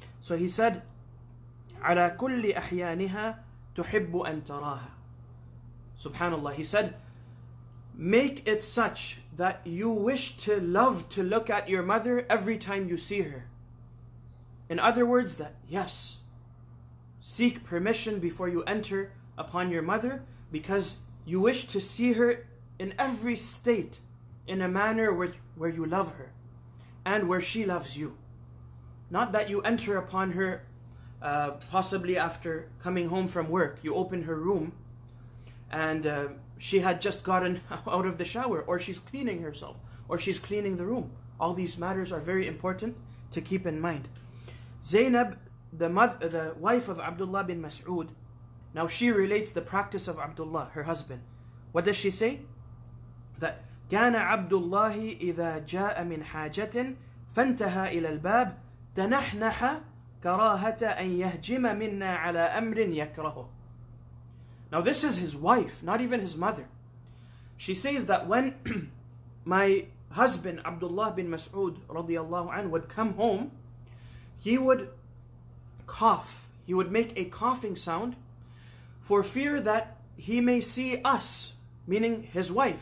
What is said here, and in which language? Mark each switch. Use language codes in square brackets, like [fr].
[en] So he said, [ar] على كل أحيانها تحب أن تراها. [en] Subhanallah, he said, make it such that you wish to love to look at your mother every time you see her. In other words, that yes, seek permission before you enter upon your mother, because you wish to see her in every state in a manner where you love her and where she loves you. Not that you enter upon her possibly after coming home from work, you open her room and she had just gotten out of the shower, or she's cleaning herself, or she's cleaning the room. All these matters are very important to keep in mind. Zainab, the wife of Abdullah bin Mas'ud, now she relates the practice of Abdullah, her husband. What does she say? That [ar] كان عبد الله إذا جاء من حاجة فانتهى إلى الباب تنحنح كراهة أن يهجم منا على أمر يكرهه. [en] Now this is his wife, not even his mother. She says that when my husband Abdullah bin Mas'ud radiyallahu anhu would come home, he would cough. He would make a coughing sound for fear that he may see us, meaning his wife.